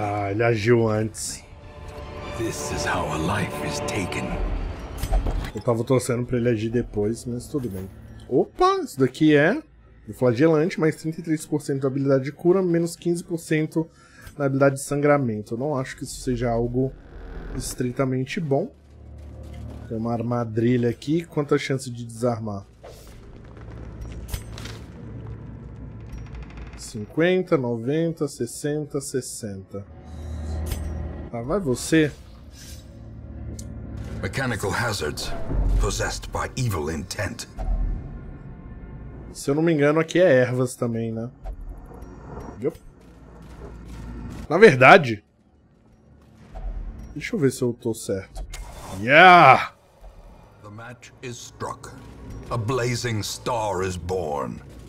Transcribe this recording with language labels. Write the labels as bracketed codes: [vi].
[pt] Ele agiu antes. [en] This is how a life is taken. [pt] Eu tava torcendo pra ele agir depois, mas tudo bem. Opa, isso daqui é o flagelante, mais 33% de habilidade de cura, menos 15% na habilidade de sangramento. Eu não acho que isso seja algo estritamente bom. Tem uma armadilha aqui, quanta chance de desarmar? 50, 90, 60, 60. Ah, vai você. [en] Mechanical hazards possessed by evil intent. [pt] Se eu não me engano, aqui é ervas também, né? Yep. Na verdade, deixa eu ver se eu tô certo. Yeah! [en] The match is struck. A blazing star is born.